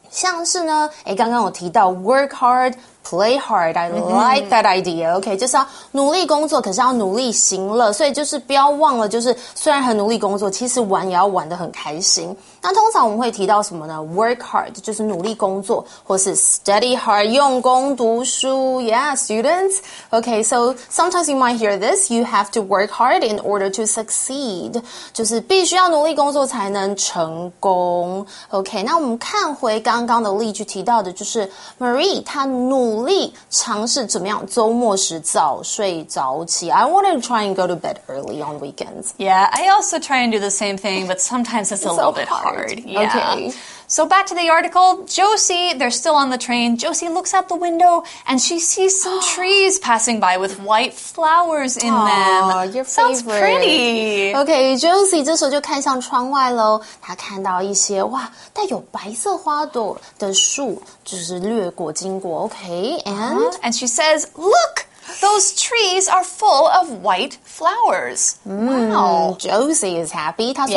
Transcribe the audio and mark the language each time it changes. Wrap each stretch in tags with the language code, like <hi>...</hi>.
<zh>像是呢，诶，刚刚我提到</zh> <en>work hard, play hard, I like that idea,</en> <zh>OK, 就是要努力工作，可是要努力行乐，所以就是不要忘了，就是虽然很努力工作，其实玩也要玩得很开心。那通常我们会提到什么呢 ?work hard, 就是努力工作或是 study hard, 用功读书 ,</zh> <en>yeah, students. Okay, so sometimes you might hear this, you have to work hard in order to succeed.</en> <zh>就是必须要努力工作才能成功。 Okay, 那我们看回刚刚的例句提到的就是 Marie, 她努力尝试怎么样周末时早睡早起。</zh> <en>I want to try and go to bed early on weekends. Yeah, I also try and do the same thing, but sometimes it's a little bit hard. Yeah. Okay. So back to the article. Josie, they're still on the train. Josie looks out the window and she sees some trees passing by with white flowers in them. Your Sounds favorite. Pretty.</en> <zh>Okay, Josie 这时候就看向窗外咯。她看到一些哇带有白色花朵的树就是掠过经过。</zh> <en>Okay, and? And she says, look! Those trees are full of white flowers. Wow. Josie is happy.</en> <zh>她说、</zh>